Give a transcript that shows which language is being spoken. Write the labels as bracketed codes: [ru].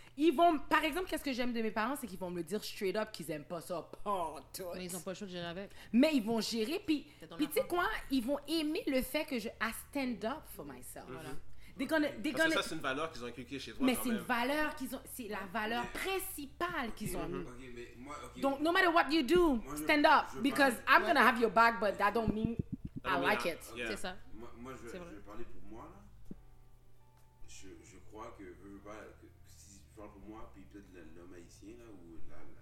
[fr] Ils vont, par exemple, qu'est-ce que j'aime de mes parents, c'est qu'ils vont me le dire [en] straight up [fr] qu'ils aiment pas ça, pantoute. Mais ils ont pas le choix de gérer avec. Mais ils vont gérer, puis tu sais quoi, ils vont aimer le fait que je [en] stand up for myself. [fr] Mm-hmm. Voilà. Parce que ça, c'est une valeur qu'ils ont inculquée chez toi. Mais quand c'est même. Une valeur qu'ils ont, c'est la valeur principale qu'ils ont. Okay, mais moi, okay. [en] Donc, no matter what you do, stand up. Because I'm going to have your back, but that don't mean I like it. Yeah. [fr] C'est ça. Moi, je vais parler pour moi. Là. Je crois que, si tu parles pour moi, puis peut-être l'homme haïtien, là, ou la.